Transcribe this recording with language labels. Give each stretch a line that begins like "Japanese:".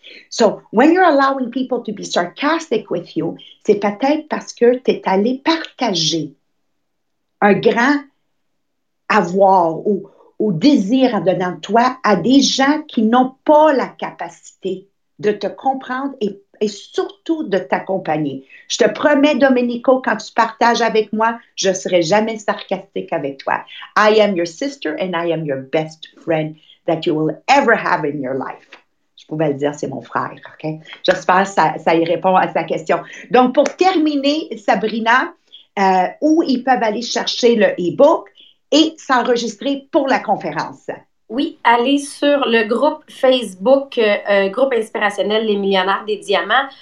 English: So, when you're allowing people to be sarcastic with you,
French: c'est peut-être parce que tu es allé partager un grand avoir ou désir en donnant toi à des gens qui n'ont pas la capacité de te comprendre et surtout de t'accompagner. Je te promets, Domenico, quand tu partages avec moi, je ne serai jamais sarcastique avec toi.
English: I am your sister and I am your best friend that you will ever have in your life.
French: Je pouvais le dire, c'est mon frère, OK? J'espère que ça y répond à sa question. Donc, pour terminer, Sabrina, où ils peuvent aller chercher le e-book et s'enregistrer pour la conférence? Oui, allez sur le groupe Facebook, groupe inspirationnel Les Millionnaires des Diamants.